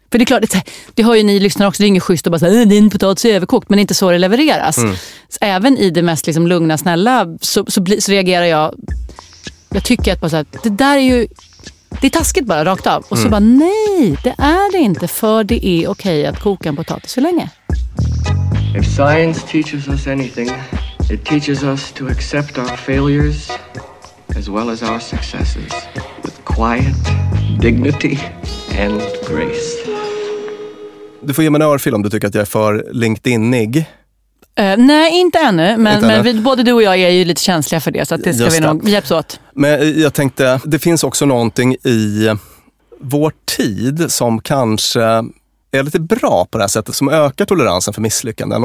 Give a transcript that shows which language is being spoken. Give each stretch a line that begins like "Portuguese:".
Swedish: För det är klart, det har ju ni lyssnare också, det är inget schysst att bara säga din potatis är överkokt, men inte så det levereras. Mm. Även i det mest liksom lugna, snälla, så reagerar jag. Jag tycker att bara så här, det där är ju, det är taskigt bara, rakt av. Och så bara, nej, det är det inte, för det är okej att koka en potatis för länge.
English: If science teaches us anything, it teaches us to accept our failures as well as our successes with quiet dignity and grace.
Swedish: Du får ge mig en örfil om du tycker att jag är för LinkedInig. Nej, inte ännu. Men vi, både du och jag är ju lite känsliga för det. Så att det ska just vi nog hjälps åt. Men jag tänkte, det finns också någonting i vår tid som kanske är lite bra på det här sättet, som ökar toleransen för misslyckanden.